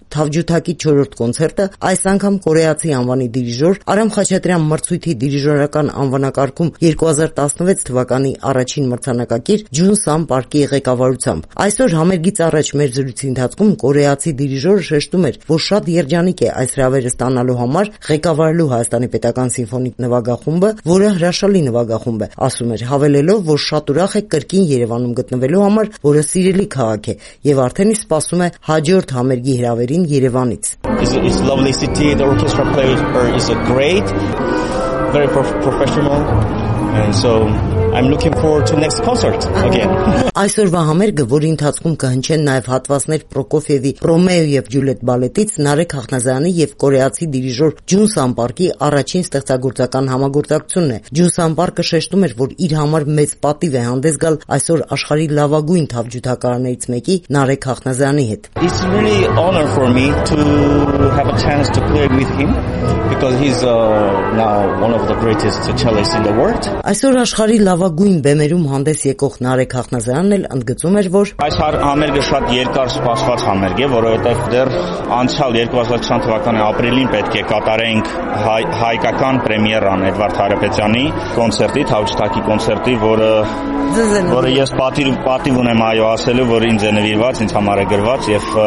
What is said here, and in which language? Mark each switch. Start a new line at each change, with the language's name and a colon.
Armenian: Թավջութակի 4-րդ կոնցերտը, այս անգամ կորեացի անվանի դիրիժոր Արամ Խաչատրյան մրցույթի դիրիժորական անվանակարգում 2016 թվականի առաջին մրցանակակիր Ջուն Սան Պարկի ղեկավարությամբ։ Այսօր համերգից առաջ մեր զրույցի ընթացքում կորեացի դիրիժորը շեշտում էր, որ շատ երջանիկ է այս հրավերը ստանալու համար ղեկավարելու Հայաստանի պետական սիմֆոնիկ նվագախումբը, որը հրաշալի նվագախումբ է, ասում էր, հավելելով, որ շատ ուրախ է կրկին Երևանում գտնվելու համար, որը սիրելի քաղաք է և արդեն իսկ սպասում է հաջորդ համերգի հրավերին Երևանից։
English: Is it lovely city, the orchestra played, or is it great? Very professional. And so I'm looking forward to next concert again.
Armenian: Այսօրվա համերգը, որի ընթացքում կհնչեն նաև հատվածներ Պրոկոֆիևի Ռոմեո և Ջուլիետ բալետից, Նարեկ Հախնազարյանի և կորեացի դիրիժոր Ջուն Սան Պարկի առաջին ստեղծագործական համագործակցությունն է։ Ջուն Սան Պարկը շեշտում էր, որ իր համար մեծ պատիվ է հանդես գալ այսօր աշխարհի լավագույն թավջութակարներից մեկի Նարեկ Հախնազարյանի հետ։
English: It's really an honor for me to have a chance to play with him because he's now one of the greatest cellists in the world.
Armenian: Այսօր աշխարհի լավագույն բեմերում հանդես եկող Նարեկ Հախնազարյանն էլ ընդգծում էր, որ այս համերգը շատ երկար սպասված համերգ է, որովհետև դեռ անցյալ 2020 թվականի ապրիլին պետք է կատարենք հայկական պրեմիերան Էդվարդ Հարապետյանի կոնցերտի, Թավջութակի կոնցերտի, որը ես պատիվ ունեմ այո ասելու, որ ինձ է նվիրված, ինձ համար է գրված և